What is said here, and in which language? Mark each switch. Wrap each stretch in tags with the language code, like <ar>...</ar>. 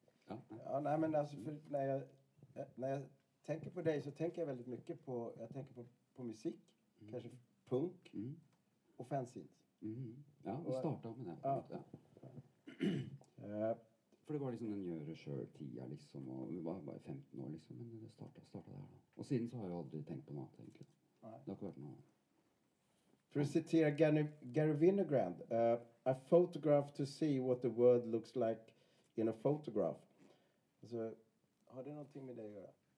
<no>Ja. Ja, nei, men altså, når jeg tenker på deg, så tenker jeg veldig mye på, jeg tenker på musikk, kanskje punk og fanzine. Ja, vi startet med det. Ja. Ja. For det var liksom den gjøre-selv-tida, liksom, og vi var bare 15 år, liksom, men det startet der. Og siden så har jeg aldri tenkt på noe, egentlig. Det har ikke vært noe.</no> <sv>For att citera Gary Winogrand,</sv> <en>a photograph to see what the world looks like in a photograph.</en> <sv>Alltså, har det någonting med det att göra?</sv>